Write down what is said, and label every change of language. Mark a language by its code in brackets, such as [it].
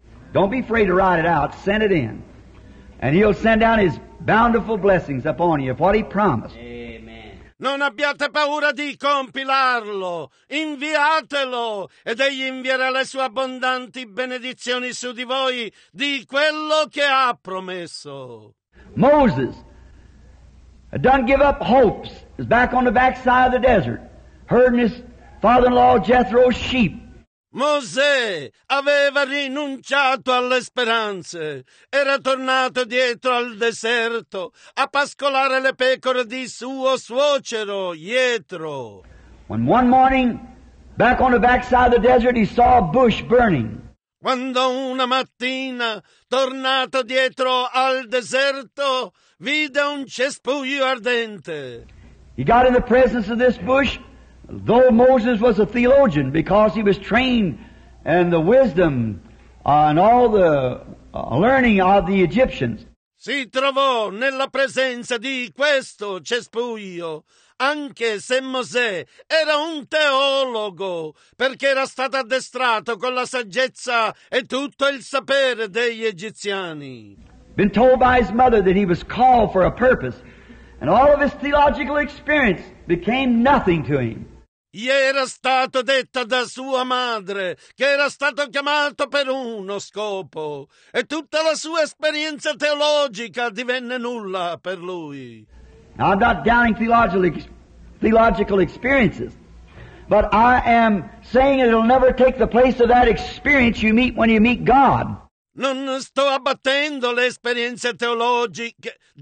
[en] Don't be afraid to write it out. Send it in. And he'll send down his bountiful blessings upon you of what he promised. [it] Non abbiate paura di compilarlo, inviatelo, ed egli invierà le sue abbondanti benedizioni su di voi di quello che ha promesso. [en] Moses done give up hopes, is back on the backside of the desert, herding his father-in-law Jethro's sheep. [it] Mosè aveva rinunciato alle speranze, era tornato dietro al deserto a pascolare le pecore di suo suocero, Jethro. [en] When one morning, back on the backside of the desert, he saw a bush burning. [it] Quando una mattina, tornato dietro al deserto, vide un cespuglio ardente. [en] He got in the presence of this bush. Though Moses was a theologian, because he was trained in the wisdom and all the learning of the Egyptians. [it] Si trovò nella presenza di questo cespuglio, anche se Mosè era un teologo, perché era stato addestrato con la saggezza e tutto il sapere degli egiziani. [en] Been told by his mother that he was called for a purpose, and all of his theological experience became nothing to him. [it] Gli era stato detto da sua madre che era stato chiamato per uno scopo e tutta la sua esperienza teologica divenne nulla per lui. [en] Now, I'm not doubting theological experiences, but I am saying it'll never take the place of that experience you meet when you meet God. [it] Non sto abbattendo le esperienze teologiche.